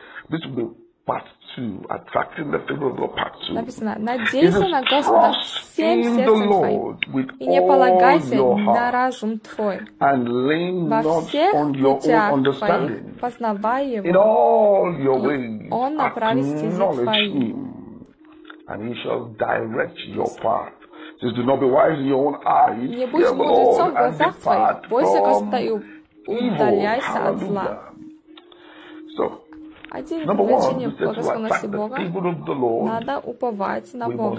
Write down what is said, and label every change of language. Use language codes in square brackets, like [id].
[en] This will be part 2, attracting the favor of God, part 2. [ru] Написано, надейся на Господа всем сердцем твоим, и не полагайся на разум твой, во всех путях твоих, познавай Его, и Он направит стези твои. [en] And He shall direct your path. Says, do not be wise in your own eyes, [ru] не будь мудрецом в глазах твоих, бойся Господа и удаляйся от зла. [en] So, Number one, we said to attract the favor of the Lord,